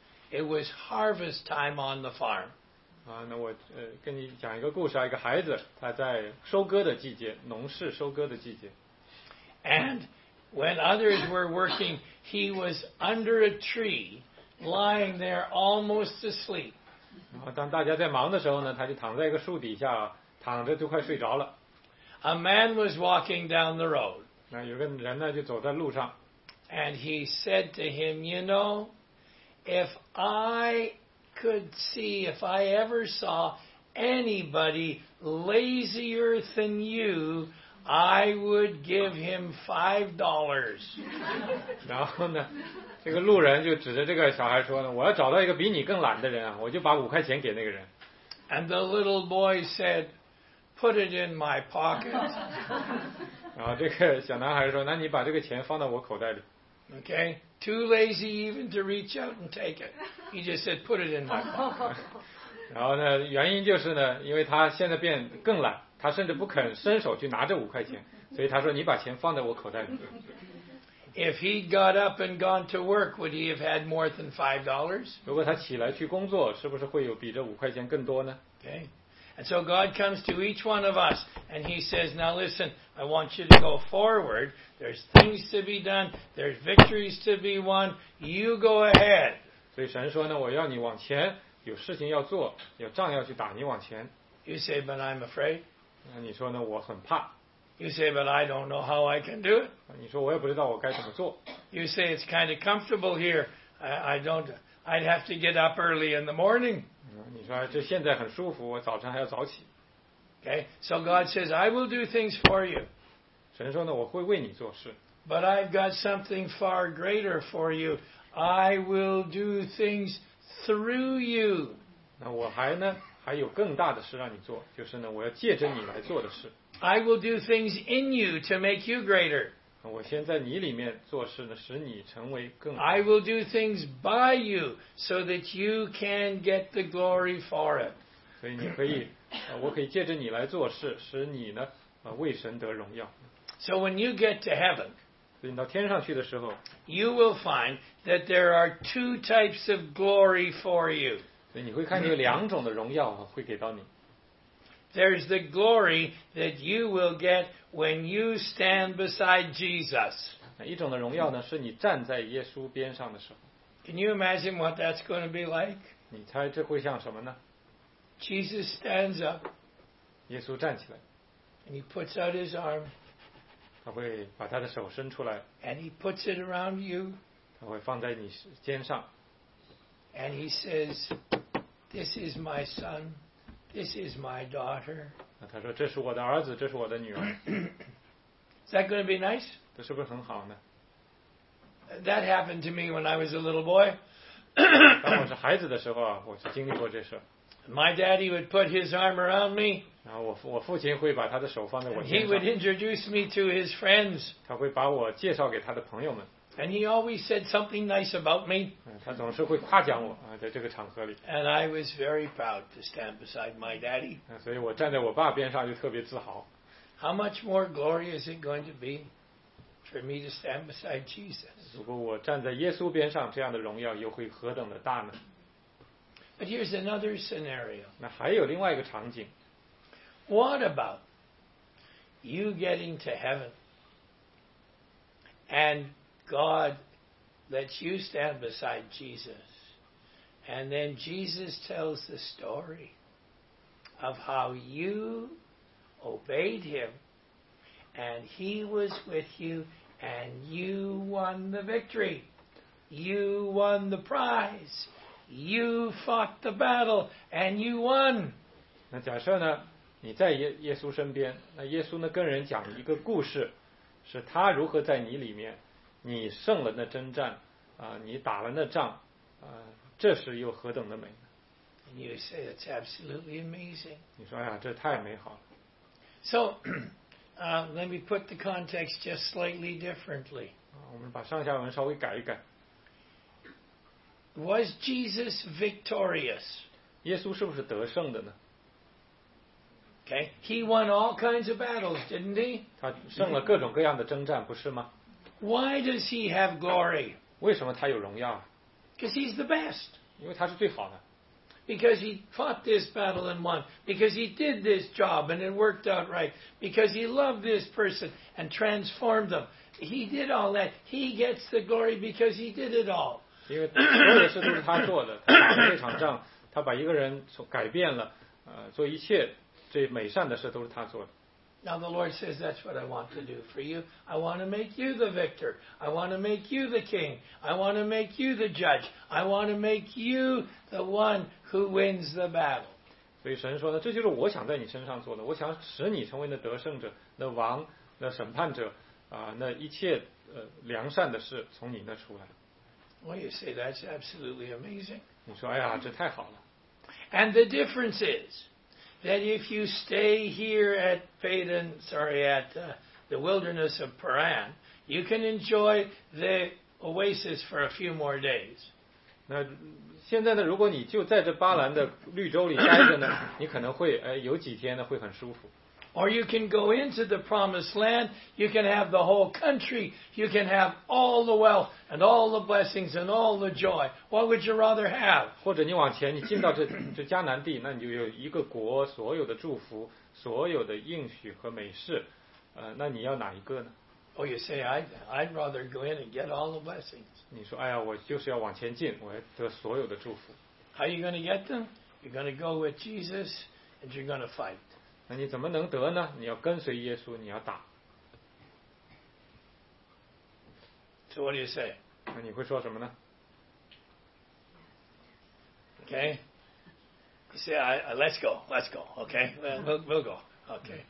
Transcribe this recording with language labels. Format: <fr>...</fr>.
<en>It was harvest time on the farm.</en> <zh>那我跟你讲一个故事啊，一个孩子，他在收割的季节，农事收割的季节。</zh> <en>And when others were working, he was under a tree, lying there almost asleep.</en> <zh>当大家在忙的时候呢，他就躺在一个树底下，躺着就快睡着了。</zh> <en>A man was walking down the road.</en> <zh>那有个人呢，就走在路上。</zh> <en>And he said to him, you know, if I could see, if I ever saw anybody lazier than you,I would give him $5.</en> <zh>然后呢，这个路人就指着这个小孩说呢，我要找到一个比你更懒的人啊，我就把五块钱给那个人。</zh> <en>And the little boy said, put it in my pocket.</en> <zh>然后这个小男孩说，那你把这个钱放到我口袋里。</zh> <en>Okay, too lazy even to reach out and take it. He just said, put it in my pocket.</en> <zh>然后呢，原因就是呢，因为他现在变更懒。他甚至不肯伸手去拿这五块钱，所以他说：“你把钱放在我口袋里。”</zh> <en>If he got up and gone to work, would he have had more than $5?</en> <zh>如果他起来去工作，是不是会有比这五块钱更多呢</zh> <en>？Okay, and so God comes to each one of us, and He says, "Now listen, I want you to go forward. There's things to be done. There's victories to be won. You go ahead."</en> <zh>所以神说呢，我要你往前，有事情要做，有仗要去打，你往前。</zh> <en>You say, "But I'm afraid."</en> <zh>那你说呢？我很怕。</zh> <en>You say, but I don't know how I can do it.</en> <zh>你说我也不知道我该怎么做。</zh> <en>You say it's kind of comfortable here. I'd have to get up early in the morning.</en> <zh>你说这现在很舒服，我早晨还要早起。</zh> <en>Okay, so God says, I will do things for you.</en> <zh>神说呢，我会为你做事。</zh> <en>But I've got something far greater for you. I will do things through you.</en> <zh>那我还呢，还有更大的事让你做，就是呢，我要借着你来做的事。</zh> <en>I will do things in you to make you greater.</en> <zh>我先在你里面做事呢，使你成为更</zh> <en>大。I will do things by you so that you can get the glory for it.</en> <zh>所以你可以，我可以借着你来做事，使你呢，为神得荣耀。</zh> <en>So when you get to heaven,</en> <zh>所以你到天上去的时候，</zh> <en>you will find that there are two types of glory for you.</en> <zh>所以你会看见两种的荣耀会给到你。</zh> <en>There's the glory that you will get when you stand beside Jesus.</en> <zh>一种的荣耀呢，是你站在耶稣边上的时候。</zh> <en>Can you imagine what that's going to be like?</en> <zh>你猜这会像什么呢？</zh> <en>Jesus stands up.</en> <zh>耶稣站起来。</zh> <en>And he puts out his arm.</en> <zh>他会把他的手伸出来。</zh> <en>And he puts it around you.</en> <zh>他会放在你肩上。</zh> <en>And he says, "This is my son." This is my daughter.</en> <zh>他说这是我的儿子，这是我的女儿。</zh> <en>Is that going to be nice?</en> <zh>这是不是很好呢？</zh> <en>That happened to me when I was a little boy.</en> <zh>当我是孩子的时候啊，我是经历过这事。</zh> <en>My daddy would put his arm around me.</en> <zh>然后我父亲会把他的手放在我肩</zh> <en>上。He would introduce me to his friends.</en> <zh>他会把我介绍给他的朋友们。</zh> <en>And he always said something nice about me.</en> <zh>他总是会夸奖我啊，在这个场合里。</zh> <en>And I was very proud to stand beside my daddy.</en> <zh>所以我站在我爸边上就特别自豪。</zh> <en>How much more glory is it going to be for me to stand beside Jesus?</en> <zh>如果我站在耶稣边上，这样的荣耀又会何等的大呢？</zh> <en>But here's another scenario.</en> <zh>那还有另外一个场景。</zh> <en>What about you getting to heaven and God lets you stand beside Jesus, and then Jesus tells the story of how you obeyed him, and he was with you, and you won the victory. You won the prize. You fought the battle, and you won.</en> <zh>那假设呢，你在耶稣身边，那耶稣呢跟人讲一个故事，是他如何在你里面。你胜了那征战，你打了那仗，这是又何等的美呢？</zh> <en>And you say it's absolutely amazing.</en> <zh>你说呀，这太美好了。</zh> <en>So, let me put the context just slightly differently.</en> <zh>我们把上下文稍微改一改。</zh> <en>Was Jesus victorious?</en> <zh>耶稣是不是得胜的呢？</zh> <en>Okay, he won all kinds of battles, didn't he?</en> <zh>他胜了各种各样的征战，不是吗？</zh> <en>Why does he have glory?</en> <zh>为什么他有荣耀？</zh> <en>Because he's the best. 因为他是最好的。 Because he fought this battle and won. Because he did this job and it worked out right. Because he loved this person and transformed them. He did all that. He gets the glory because he did it all.</en> <zh>因为所有的事都是他做的，他打了这场仗，他把一个人改变了，做一切最美善的事都是他做的。</zh> <en>Now the Lord says, that's what I want to do for you. I want to make you the victor. I want to make you the king. I want to make you the judge. I want to make you the one who wins the battle.</en> <zh>所以神说呢，这就是我想在你身上做的。我想使你成为那得胜者，那王，那审判者，那一切良善的事从你那出来。</zh> <en>Well, you say, that's absolutely amazing.</en> <zh>你说，哎呀，这太好了。</zh> <en>And the difference is,that if you stay here at Paddan, the wilderness of Paran, you can enjoy the oasis for a few more days.</en> <zh>那现在呢，如果你就在这巴兰的绿洲里待着呢，你可能会有几天呢会很舒服。</zh> <en>Or you can go into the promised land, you can have the whole country, you can have all the wealth and all the blessings and all the joy. What would you rather have?</en> <zh>或者你往前，你进到这迦南地，那你就有一个国，所有的祝福，所有的应许和美事，那你要哪一个呢？</zh> <en>Oh, you say, I'd rather go in and get all the blessings.</en> <zh>你说，哎呀，我就是要往前进，我要得所有的祝福。</zh> <en>How are you going to get them? You're going to go with Jesus and you're going to fight.</en> <zh>那你怎么能得呢？你要跟随耶稣，你要打。</zh> <en>So what do you say?</en> <zh>那你会说什么呢？</zh> <en>Okay. You say, let's go. Okay. We'll go. Okay.</en>